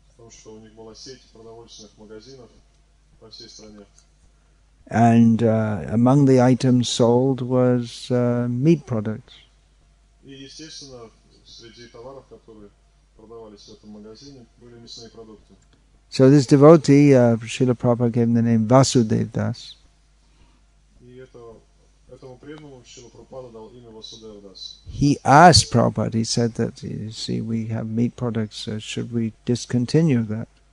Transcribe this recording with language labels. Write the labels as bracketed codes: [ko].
[ru] Что у них была сеть продовольственных магазинов по всей стране. [en] And among the items sold was meat products. [ru] И естественно, среди товаров, которые продавались в этом магазине, были мясные продукты. [en] So this devotee, Srila Prabhupada gave him the name Vasudev Das. [ru] И этому преданному Srila Prabhupada дал имя Vasudev Das. [en] He asked Prabhupada, he said that, you see, we have meat products, so should we discontinue that?